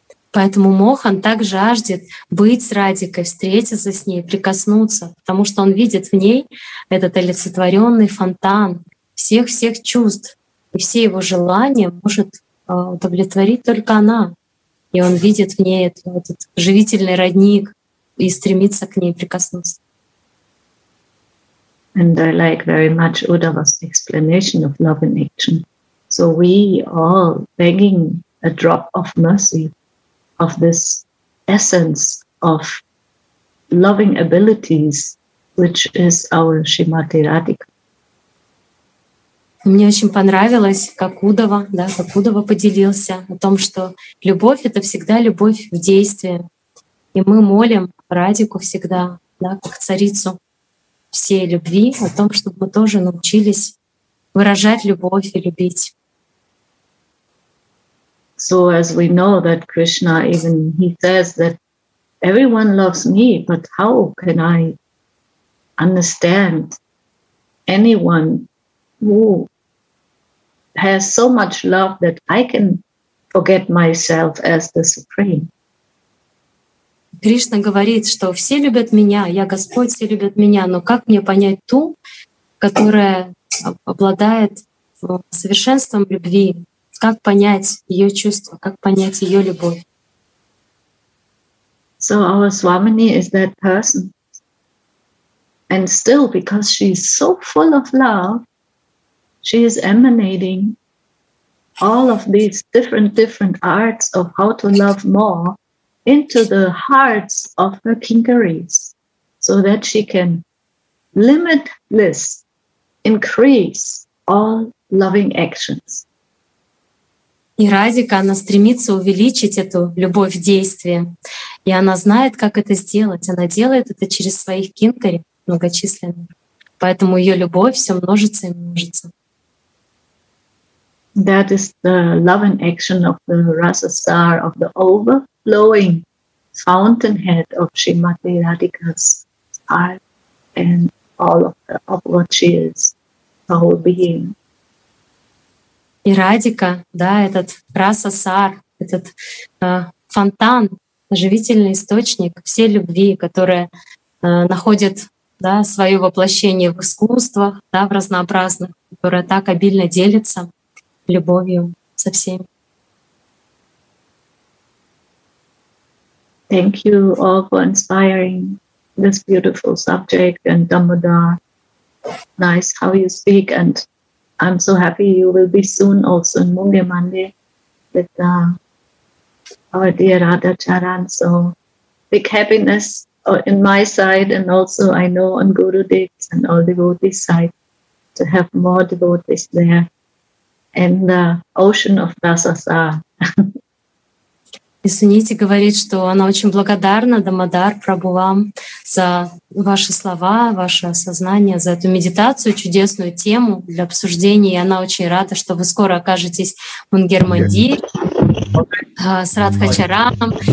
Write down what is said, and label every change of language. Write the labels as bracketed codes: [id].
[ru] Поэтому Мохан так жаждет быть с Радикой, встретиться с ней, прикоснуться, потому что он видит в ней этот олицетворенный фонтан всех-всех чувств, и все его желания может удовлетворить только она. И он видит в ней этот живительный родник и стремится к ней прикоснуться. [en] And I like very much Uddhava's explanation of love in action. So we all begging a drop of mercy of this essence of loving abilities, which is our Srimati Radhika. [ru] Мне очень понравилось, как Удава поделился о том, что любовь — это всегда любовь в действии. И мы молим Радику всегда, да, как царицу всей любви, о том, чтобы мы тоже научились выражать любовь и любить. [en] So as we know that Krishna, even he says that everyone loves me, but how can I understand anyone who has so much love that I can forget myself as the Supreme? [ru] Кришна говорит, что все любят меня, я Господь, все любят меня, но как мне понять ту, которая обладает совершенством любви? Как понять ее чувства, как понять ее любовь? [en] So our Swamini is that person. And still, because she is so full of love, she is emanating all of these different arts of how to love more into the hearts of her kinkaris, so that she can limitless increase all loving actions. [ru] И Радика, она стремится увеличить эту любовь в действии. И она знает, как это сделать. Она делает это через своих кинкари многочисленных. Поэтому ее любовь все множится и множится. [en] That is the love and action of the Rasa Star, of the overflowing fountainhead of Srimati Radhika's heart and all of what she is, the whole being. [ru] И Радика, да, этот Раса Сар, этот фонтан, живительный источник всей любви, которая находит, да, свое воплощение в искусствах, да, в разнообразных, которая так обильно делится любовью со всеми. [en] Thank you all for inspiring this beautiful subject and Damodar. Nice how you speak, and I'm so happy you will be soon also in Mungo Monday with our dear Radha Charan. So big happiness in my side, and also I know on Gurudev's and all devotees' side, to have more devotees there in the ocean of Rasasa. [ru] И Суните говорит, что она очень благодарна Дамодар Прабху вам за ваши слова, ваше осознание, за эту медитацию, чудесную тему для обсуждения. И она очень рада, что вы скоро окажетесь в Мунгер-Мандире с Радха Чараном.